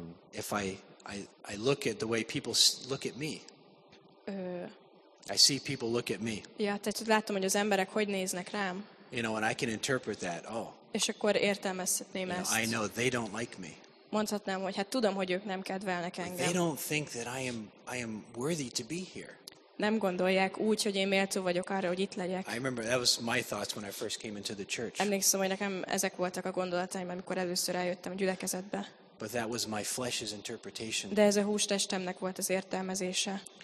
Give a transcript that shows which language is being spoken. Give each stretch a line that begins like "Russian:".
English: If I look at the way people look at me. I see people look at me.
Hungarian: Ja, tehát látom, hogy az emberek hogy néznek rám.
English: You know, and I can interpret that. Oh.
Hungarian: És akkor értelmezhetném ezt.
English: I know they don't like me.
Hungarian: Mondhatnám, hogy hát tudom, hogy ők nem kedvelnek engem.
English: They don't think that I am worthy to be here.
Hungarian: Nem gondolják úgy, hogy én méltó vagyok arra, hogy itt legyek.
English: I remember that was my thoughts when I first came into the church.
Hungarian: Emlékszem, hogy nekem ezek voltak a gondolataim, amikor először eljöttem a gyülekezetbe.
English: But that was my flesh's interpretation.
Hungarian: De ez a hústestemnek volt az értelmezése.